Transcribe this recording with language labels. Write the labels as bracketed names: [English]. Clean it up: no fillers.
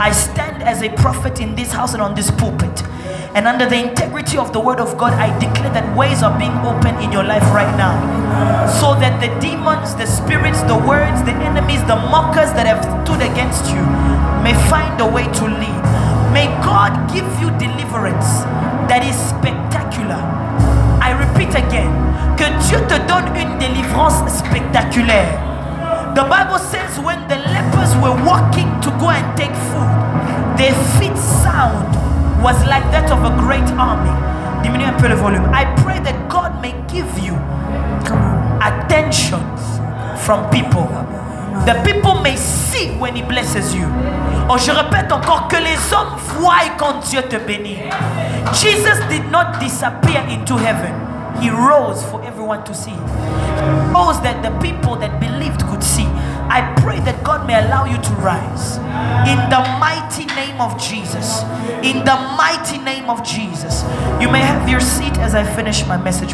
[English] I stand as a prophet in this house and on this pulpit. And under the integrity of the word of God, I declare that ways are being opened in your life right now. So that the demons, the spirits, the words, the enemies, the mockers that have stood against you may find a way to leave. May God give you deliverance that is spectacular. I repeat again, [French] que Dieu te donne une délivrance spectaculaire. [English] The Bible says when the lepers were walking to go and take food, their feet sound was like that of a great army. [French] Diminue un peu le volume. [English] I pray that God may give you attention from people. The people may see when he blesses you. [French] Oh, je répète encore que les hommes voient quand Dieu te bénit. [English] Jesus did not disappear into heaven. He rose for everyone to see. He rose that the people that believed could see. I pray that God may allow you to rise. In the mighty name of Jesus. In the mighty name of Jesus. You may have your seat as I finish my message.